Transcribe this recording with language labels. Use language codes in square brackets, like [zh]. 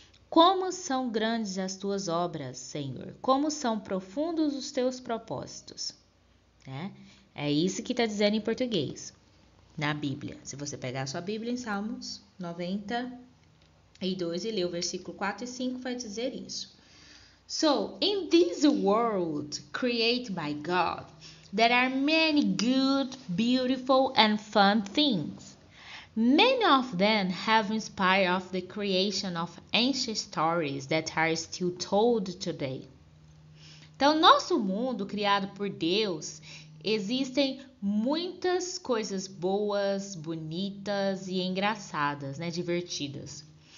[pt] Como são grandes as tuas obras, Senhor. Como são profundos os teus propósitos. É isso que está dizendo em português, na Bíblia. Se você pegar a sua Bíblia em Salmos 90... E 2 e leu o versículo 4 e 5 vai dizer isso. [en] So, in this world created by God, there are many good, beautiful and fun things. Many of them have inspired of the creation of ancient stories that are still told today. [pt] Então, nosso mundo criado por Deus, existem muitas coisas boas, bonitas e engraçadas, né, divertidas.